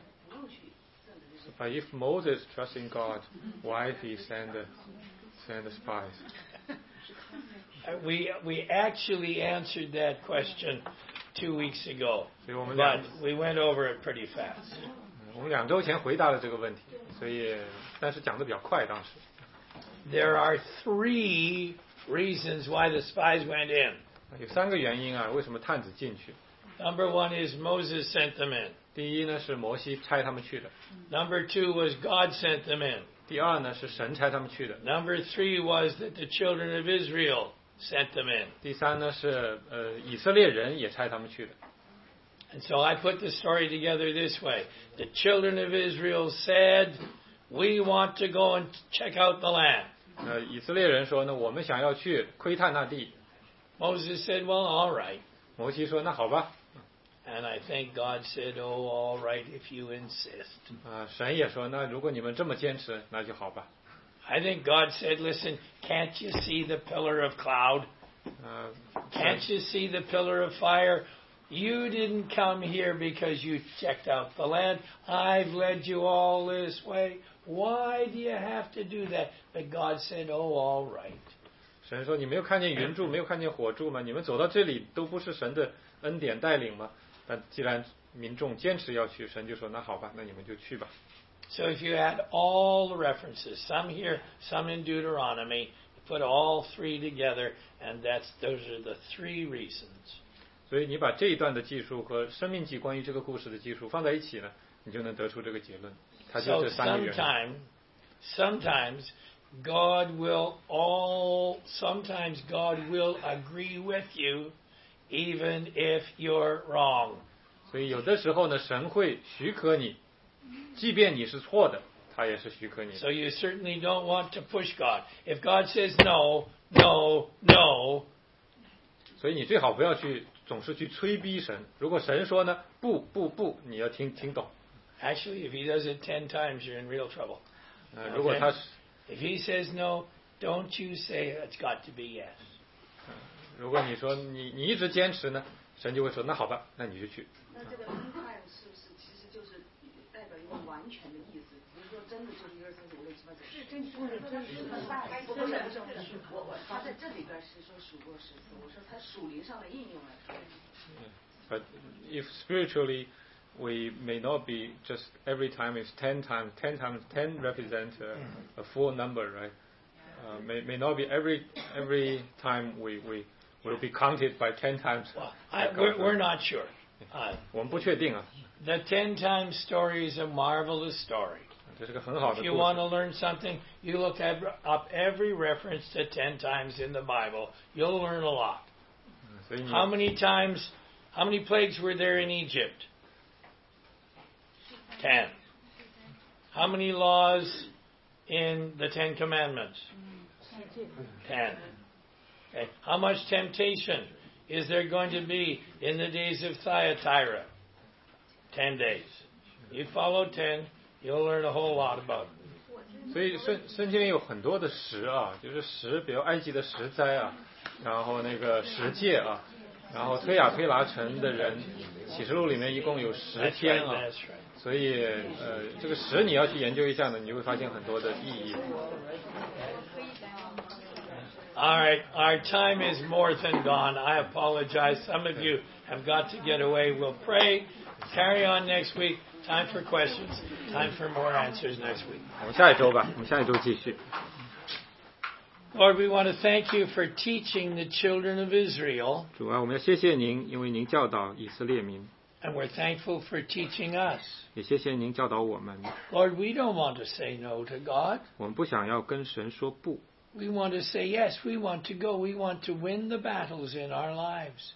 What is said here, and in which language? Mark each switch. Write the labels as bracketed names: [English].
[English] So, but if Moses trusts in God, why did he send the spies? We actually answered that question 2 weeks ago, but we went over it pretty fast. [Chinese] 我们两周前回答了这个问题，所以但是讲得比较快当时。 [English] There are three reasons why the spies went in. [Chinese] 有三个原因啊，为什么探子进去 [English] ？Number one is Moses sent them in. [Chinese] 第一呢是摩西差他们去的。 [English] Number two was God sent them in. [Chinese] 第二呢是神差他们去的。 [English] Number three was that the children of Israel sent them in. [Chinese] 第三呢是以色列人也差他们去的。 [English] And so I put the story together this way: the children of Israel said, "We want to go and check out the land." [Chinese] 以色列人说呢，我们想要去窥探那地。 [English] Moses said, well, all right. [Chinese] 摩西说那好吧。 [English] And I think God said, oh, all right, if you insist. [Chinese] 神也说那如果你们这么坚持那就好吧。 [English] I think God said, listen, can't you see the pillar of cloud? Can't you see the pillar of fire? You didn't come here because you checked out the land. I've led you all this way. Why do you have to do that? But God said, oh, all right. [Chinese] 神说你没有看见云柱没有看见火柱吗你们走到这里都不是神的恩典带领吗但既然民众坚持要去神就说那好吧那你们就去吧 [English] So if you add all the references some here some in Deuteronomy put all three together and those are the three reasons [Chinese] 所以你把这一段的记述和生命记关于这个故事的记述放在一起呢你就能得出这个结论它就这三个原因 [English] Sometimes sometimes God will agree with you, even if you're wrong. [Chinese] 所以有的时候呢，神会许可你，即便你是错的，他也是许可你。 [English] So you certainly don't want to push God. If God says no, no, no. [Chinese] 所以你最好不要去总是去催逼神。如果神说呢，不不不，你要听懂。 [English] Actually, if he does it 10 times, you're in real trouble. [Chinese] 如果他是。 [English] If he says no, don't you say it's got to be yes. [Chinese] 如果你说你一直坚持呢，神就会说那好吧，那你就去。那这个 entire 是不是其实就是代表一个完全的意思？比如说真的就是一二三四五六七八九。是真数的，真数的大。不是，我在这里边是说数过十次，我说它属灵上的应用来说。 [English] But if spiritually we may not be just every time it's 10 times 10 represent a full number, right? May not be every time we will be counted by 10 times. Well, we're not sure. [Chinese] 我们不确定啊。 [English] The ten times story is a marvelous story. [Chinese] 这是个很好的故事。 [English] If you want to learn something, you look up every reference to ten times in the Bible. You'll learn a lot. How many plagues were there in Egypt? Ten. How many laws in the Ten Commandments? Ten. Okay. How much temptation is there going to be in the days of Thyatira? 10 days. You follow ten, you'll learn a whole lot about it. [Chinese] 所以圣经里有很多的十啊，就是十，比如埃及的十灾啊，然后那个十戒啊。然后推雅推拉城的人，启示录里面一共有十天啊，所以这个十你要去研究一下呢，你就会发现很多的意义。 [English] Alright, our time is more than gone. I apologize. Some of you have got to get away. We'll pray. Carry on next week. Time for questions. Time for more answers next week. [Chinese] 我们下一周吧，我们下一周继续。 [English] Lord, we want to thank you for teaching the children of Israel. [Chinese] 主啊，我们要谢谢您，因为您教导以色列民。 [English] And we're thankful for teaching us. [Chinese] 也谢谢您教导我们。 [English] Lord, we don't want to say no to God. [Chinese] 我们不想要跟神说不。 [English] We want to say yes. We want to go. We want to win the battles in our lives.